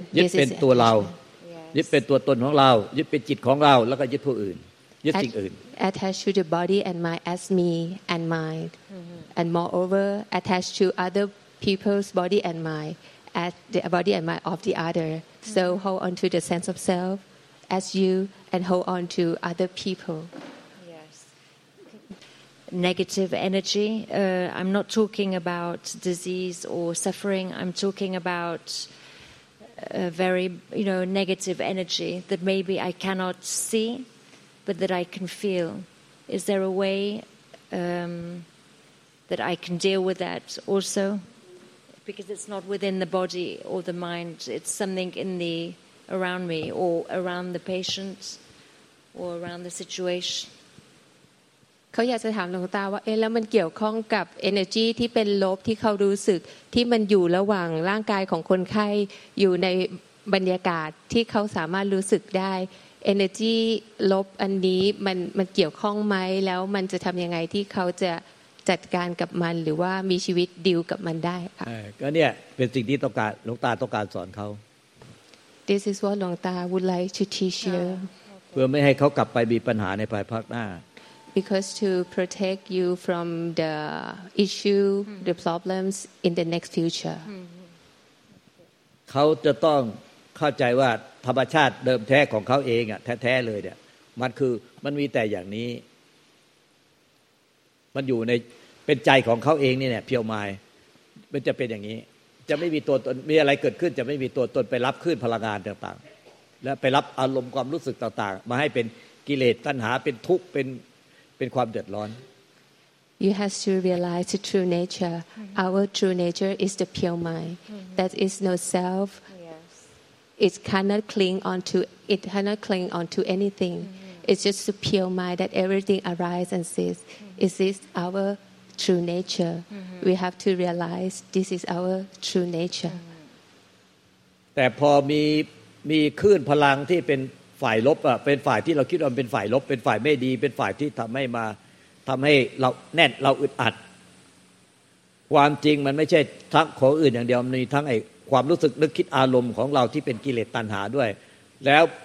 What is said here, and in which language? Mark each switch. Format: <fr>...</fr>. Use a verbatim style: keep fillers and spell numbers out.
<th>ยึดเป็นตัวเรายึดเป็นตัวตนของเรายึดเป็นจิตของเราแล้วก็ยึดผู้อื่นยึดสิ่งอื่น</th> <en>attached to the body and mind as me and mind mm-hmm. and moreover attached to other people's body and mind as the body and mind of the other mm-hmm. so hold on to the sense of self as you and hold on to other people. Yes. Negative energy. Uh, I'm not talking about disease or suffering. I'm talking about a very, you know, negative energy that maybe I cannot see, but that I can feel. Is there a way um, that I can deal with that also? Because it's not within the body or the mind. It's something in the around me or around the patient or around the situation</en> <th>เขาอยากจะถามหลวงตาว่าเอ๊ะแล้วมันเกี่ยวข้องกับ energy ที่เป็นลบที่เขารู้สึกที่มันอยู่ระหว่างร่างกายของคนไข้อยู่ในบรรยากาศที่เขาสามารถรู้สึกได้ energy ลบอันนี้มันมันเกี่ยวข้องไหมแล้วมันจะทำยังไงที่เขาจะจัดการกับมันหรือว่ามีชีวิตดีลกับมันได้ค่ะ ก็เนี่ยเป็นสิ่งที่ต้องการหลวงตาต้องการสอนเขา</th> <en>This is what หลวงตา would like to teach you</en> <th>เพื่อไม่ให้เขากลับไปมีปัญหาในภายภาคหน้า</th> <en>Because to protect you from the issue the problems in the next future</en> <th>เขาจะต้องเข้าใจว่าธรรมชาติเดิมแท้ของเขาเองอ่ะแท้ๆเลยเนี่ยมันคือมันมีแต่อย่างนี้มันอยู่ในเป็นใจของเขาเองนี่เนี่ยเพียวมายมันจะเป็นอย่างนี้จะไม่มีตัวตนมีอะไรเกิดขึ้นจะไม่มีตัวตนไปรับคลื่นพลังงานต่างๆและไปรับอารมณ์ความรู้สึกต่างๆมาให้เป็นกิเลสตัณหาเป็นทุกข์เป็นเป็นความเดือดร้อน</th> <en>You have to realize the true nature. Our true nature is the pure mind. That is no self. It cannot cling onto it cannot cling onto anything. It's just the pure mind that everything arises and ceases. It is our true nature. Mm-hmm. We have to realize this is our true nature.</en> <th>แต่พอมีมีคลื่นพลังที่เป็นฝ่ายลบอ่ะเป็นฝ่ายที่เราคิดว่าเป็นฝ่ายลบเป็นฝ่ายไม่ดีเป็นฝ่ายที่ทำให้มาทำให้เราแน่นเราอึดอัดความจริงมันไม่ใช่ทั้งของอื่นอย่างเดียวมันมีทั้งไอ้ความรู้สึกนึกคิดอารมณ์ของเราที่เป็นกิเลสตัณหาด้วยแล้ว</th>